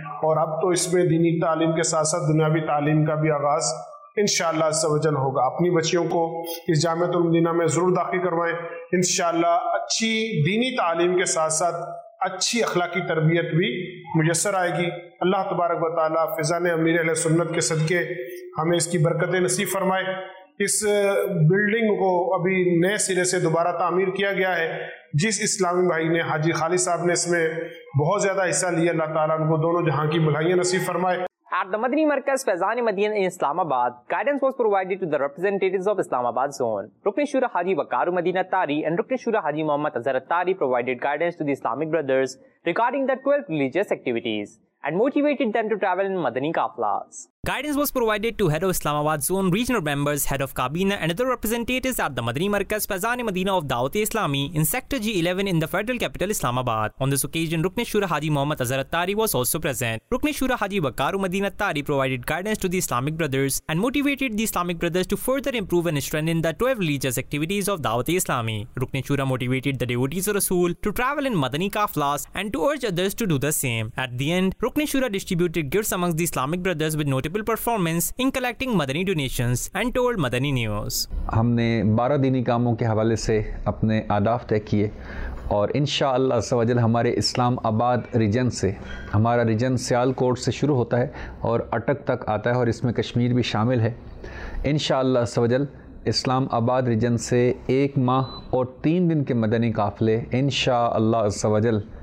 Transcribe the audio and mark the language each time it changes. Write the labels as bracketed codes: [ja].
[ur] اور اب تو اس میں دینی تعلیم کے ساتھ ساتھ دنیاوی تعلیم کا بھی آغاز انشاءاللہ عز و جل ہوگا اپنی بچیوں کو اس جامعۃ المدینہ میں ضرور داخل کروائیں انشاءاللہ اچھی دینی تعلیم کے ساتھ ساتھ اچھی اخلاقی تربیت بھی میسر آئے گی اللہ تبارک و تعالیٰ فیضان امیر اہل سنت کے صدقے ہمیں اس کی برکتیں نصیب فرمائے اس بلڈنگ کو ابھی نئے سرے سے دوبارہ تعمیر کیا گیا ہے جس اسلامی بھائی نے حاجی خالی صاحب نے اس میں بہت زیادہ حصہ لیا اللہ تعالیٰ ان کو دونوں جہاں کی بھلائیاں نصیب فرمائے [en] At the Madani Markaz Fazan-e Madina in Islamabad, guidance was provided to the representatives of Islamabad zone. Rukne Shura Haji Wakaru Madina Tari and Rukne Shura Haji Muhammad Azhar Tari provided guidance to the Islamic Brothers regarding the 12 religious activities and motivated them to travel in Madani Kaflas. Guidance was provided to head of Islamabad zone regional members, head of Kabina and other representatives at the Madani Markaz Fazan-e Madina of Dawat-e-Islami in Sector G11 in the federal capital Islamabad. On this occasion, Rukne Shura Haji Muhammad Azhar Attari was also present. Rukne Shura Haji Wakaru Madina Attari provided guidance to the Islamic Brothers and motivated the Islamic Brothers to further improve and strengthen the 12 religious activities of Dawat-e-Islami. Rukne Shura motivated the devotees of Rasool to travel in Madani Kaflas and to urge others to do the same. At the end, Rukne Shura distributed gifts amongst the Islamic Brothers with notice performance in collecting Madani donations and told Madani News. [ur] ہم نے 12 دینی کاموں کے حوالے سے اپنے آداب طے کیے اور انشاءاللہ عز و جل ہمارے اسلام آباد ریجن سے ہمارا ریجن سیال کوٹ سے شروع ہوتا ہے اور اٹک تک آتا ہے اور اس میں کشمیر بھی شامل ہے انشاءاللہ عز و جل اسلام آباد ریجن سے 1 ماہ اور 3 دن کے مدنی قافلے انشاءاللہ عز و جل